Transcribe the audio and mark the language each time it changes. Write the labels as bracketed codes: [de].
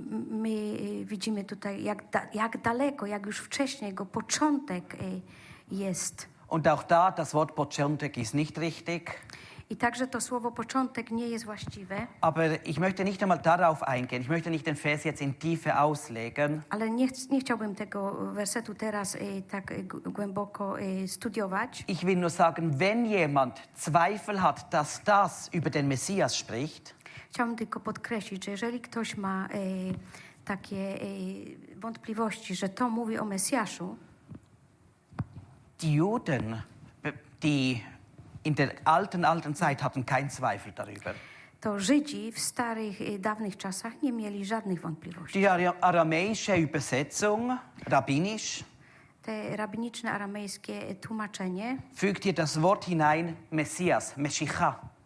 [pl] My widzimy tutaj, jak daleko, jak już wcześniej jego początek jest. [de] Und auch da, das Wort początek ist nicht richtig. [pl] I także to słowo początek nie jest właściwe. [de] Aber ich möchte nicht einmal darauf eingehen. Ich möchte nicht den Vers jetzt in Tiefe auslegen. [pl] Ale nie chciałbym tego wersetu teraz tak głęboko studiować. [de] Ich will nur sagen, wenn jemand Zweifel hat, dass das über den Messias spricht. [pl] Chciałbym tylko podkreślić, że jeżeli ktoś ma takie wątpliwości, że to mówi o Mesjaszu. [de] Die Juden, die in der alten Zeit hatten keinen Zweifel darüber. [pl] To Żydzi w starych, dawnych czasach nie mieli żadnych wątpliwości. [de] Die aramejsche Übersetzung, rabbinisch. [pl] Te rabbiniczne aramejskie tłumaczenie. [de] Fügt hier das Wort hinein, Messias, Meschicha.